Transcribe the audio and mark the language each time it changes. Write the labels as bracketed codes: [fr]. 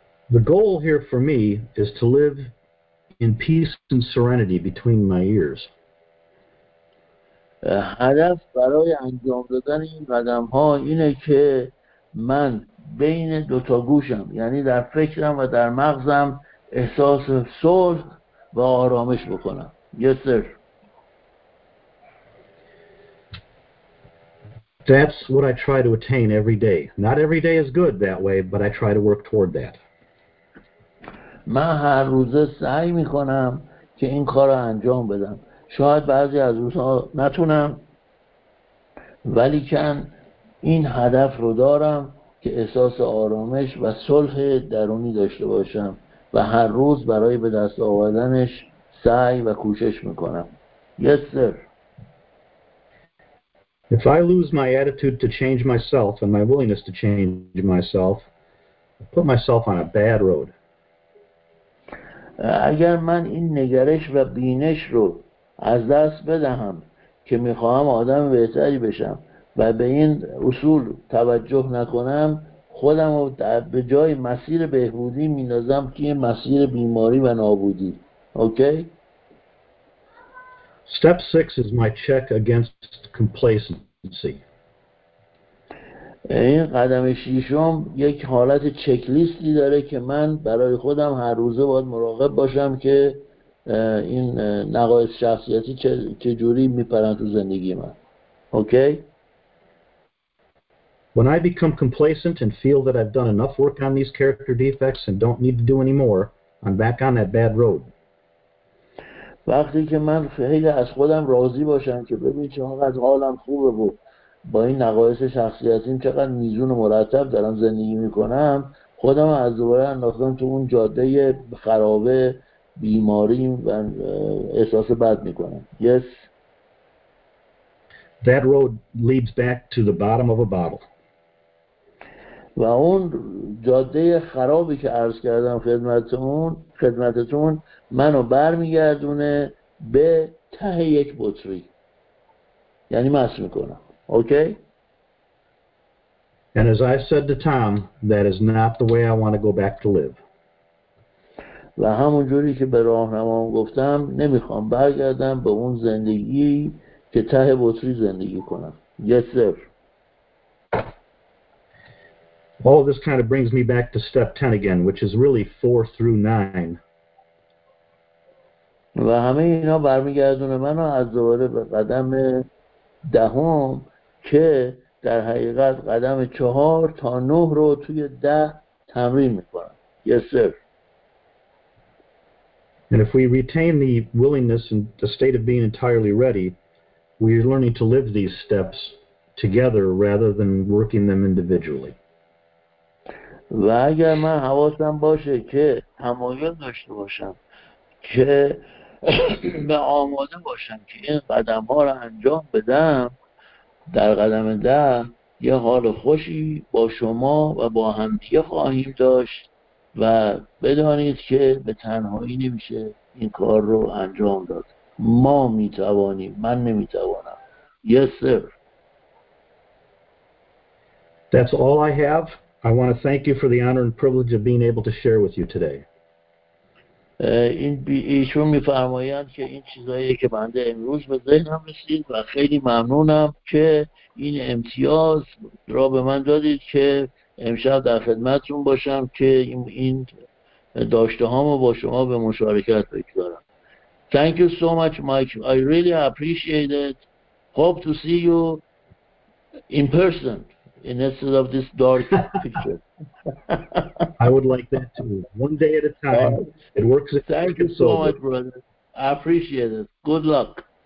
[en] The goal here for me is to live in peace and serenity between my ears. [fa] هدف برای انجام دادن این قدم ها اینه که من بین دو تا گوشم یعنی در فکرم و در مغزم احساس صلح و آرامش بکنم. [en] Yes, sir. That's what I try to attain every day. Not every day is good that way, but I try to work toward that. [fa] من هر روزه سعی میکنم که این کار رو انجام بدم. شاید بعضی از روزها نتونم ولیکن این هدف رو دارم که احساس آرامش و صلح درونی داشته باشم و هر روز برای به دست آوردنش سعی و کوشش میکنم. [en] Yes, sir. If I lose my attitude to change myself and my willingness to change myself, I put myself on a bad road. [fa] اگر من این نگرش و بینش رو از دست بدهم که میخواهم آدم بهتری بشم و به این اصول توجه نکنم خودم رو به جای مسیر بهبودی میندازم که مسیر بیماری و نابودی. [en] Okay? Step 6 is my check against complacency. [fa] این قدم ششم یک حالت چکلیستی داره که من برای خودم هر روزه باید مراقب باشم که این نقایص شخصیتی چه جوری میپرن تو زندگی من. [en] Okay? When I become complacent and feel that I've done enough work on these character defects and don't need to do any more, I'm back on that bad road. [fa] وقتی که من خیلی از خودم راضی باشم که ببین چقدر حالم خوبه بود با این نقایص شخصیتیم چقدر میزون مرتب دارم زندگی میکنم خودم از دوباره انداختم تو اون جاده خرابه بیماری و احساس بد میکنم. [en] Yes. That road leads back to the bottom of a bottle. [fa] و اون جاده خرابی که عرض کردم خدمتتون منو برمیگردونه به ته یک بطری یعنی مست میکنم. [en] Okay. And as I said to Tom, that is not the way I want to go back to live. [fa] و همون جوری که به راهنمام گفتم نمیخوام برگردم به اون زندگی که ته بطری زندگی کنم. [en] Yes, sir. All of this kind of brings me back to step 10 again, which is really 4 through 9. [fa] و همه اینا برمیگردونه منو از دوباره به قدم دهم که در حقیقت قدم 4 تا 9 رو توی 10 تمرین میکنم. [en] Yes, sir. And if we retain the willingness and the state of being entirely ready, we are learning to live these steps together rather than working them individually. [fa] و اگر من حواسم باشه که تمایل داشته باشم که به آماده باشم که این قدم‌ها رو انجام بدم، در قدم ده یه حال خوشی با شما و با همدیگه خواهیم داشت و بدانید که به تنهایی نمیشه این کار رو انجام داد. ما میتوانیم، من نمیتوانم. [en] Yes, sir. That's all I have. I want to thank you for the honor and privilege of being able to share with you today. [fa] ایشون میفرمایند که این چیزایی که بنده امروز به ذهنم رسید و خیلی ممنونم که این امتیاز را به من دادید که امشب در خدمتتون باشم که این داشته هامو با شما به مشارکت بگذارم. [en] Thank you so much, Mike. I really appreciate it. Hope to see you in person instead of this dark picture. I would like that too. One day at a time. It works. Thank you so much, brother. I appreciate it. Good luck.